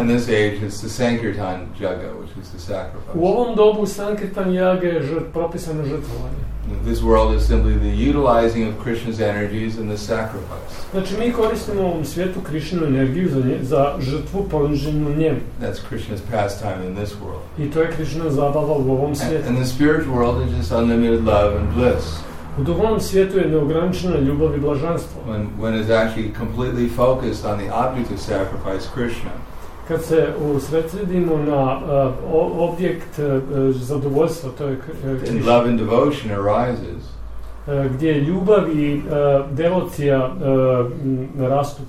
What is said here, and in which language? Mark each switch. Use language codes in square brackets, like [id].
[en] And this age is the Sankirtan Yaga, which is the sacrifice. [hr] U ovom dobu Sankirtan Yaga je propisano žrtvovanje. [en] This world is simply the utilizing of Krishna's energies and the sacrifice. [hr] Znači, mi koristimo u ovom svijetu Krishnu energiju za žrtvu poniženu njemu. [en] That's Krishna's pastime in this world. [hr] I to je Krishna zabava u ovom svijetu. [en] And the spiritual world is just unlimited love and bliss. [hr] U duhovnom svijetu je neograničena ljubav i blaženstvo. [en] When it's actually completely focused on the object of sacrifice, Krishna. [hr] Kad se usredsredimo na objekt zadovoljstva, to je Krishna. [en] Love and devotion arises. [hr] Gdje ljubav i devocija rastu.